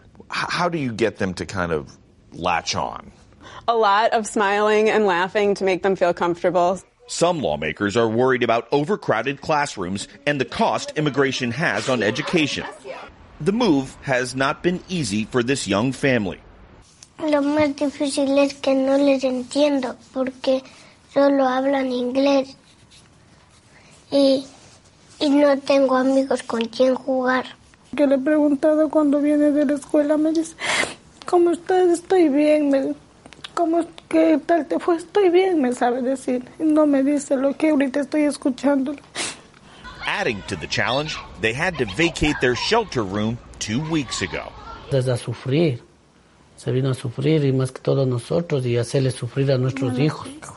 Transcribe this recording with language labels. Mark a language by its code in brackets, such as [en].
[en] How do you get them to kind of latch on? A lot of smiling and laughing to make them feel comfortable. Some lawmakers are worried about overcrowded classrooms and the cost immigration has on education. The move has not been easy for this young family. [es] Lo más difícil es que no les entiendo porque solo hablan inglés. Y no tengo amigos con quien jugar. Yo le he preguntado cuando viene de la escuela, me dice, ¿cómo estás? Estoy bien. ¿Qué tal te fue? Estoy bien, me sabe decir. No me dice lo que ahorita estoy escuchando. [en] Adding to the challenge, they had to vacate their shelter room 2 weeks ago. [es] Desde a sufrir. Se vino a sufrir y más que todos nosotros y hacerle sufrir a nuestros hijos.